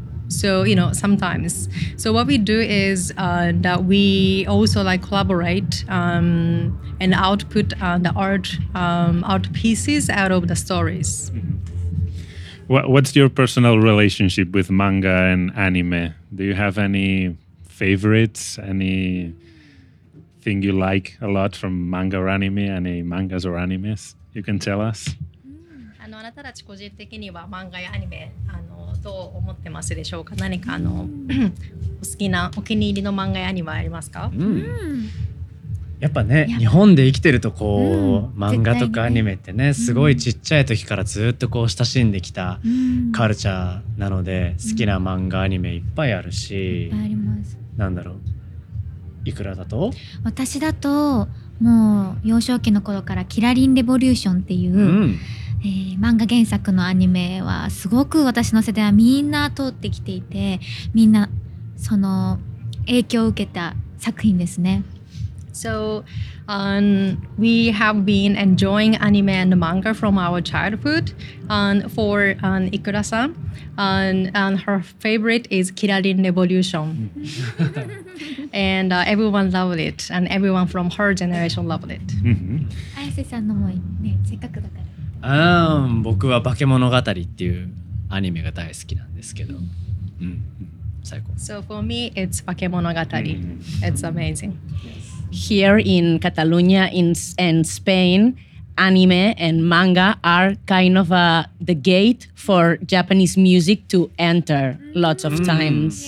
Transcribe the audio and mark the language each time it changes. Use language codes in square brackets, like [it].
[en] So, you know, sometimes. So what we do is that we also like collaborate and output the art, art pieces out of the stories. What's your personal relationship with manga and anime? Do you have any favorites, anything you like a lot from manga or anime, any mangas or animes you can tell us? [ja] あなたたち個人的には漫画やアニメどう思ってますでしょうか何かお好きなお気に入りの漫画やアニメありますか、うん、やっぱね日本で生きてるとこう、うん、漫画とかアニメってねすごいちっちゃい時からずっとこう親しんできたカルチャーなので、うん、好きな漫画アニメいっぱいあるし、うん、いっぱいありますなんだろういくらだと私だともう幼少期の頃からキラリンレボリューションっていう、うん漫画原作のアニメはすごく私の世代はみんな通ってきていてみんなその影響を受けた作品ですね [en] So、we have been enjoying anime and manga from our childhood and for Ikura-san and her favorite is Kirarin Revolution and everyone loved it and everyone from her generation loved it [ja] 綾瀬さんの思い、ね、せっかくだからあ僕は化け物語っていうアニメが大好きなんですけど、うん、最高 [en] So for me it's 化け物語、mm-hmm. It's amazing、yes. Here in Catalonia in Spain anime and manga are kind of the gate for Japanese music to enter lots of times、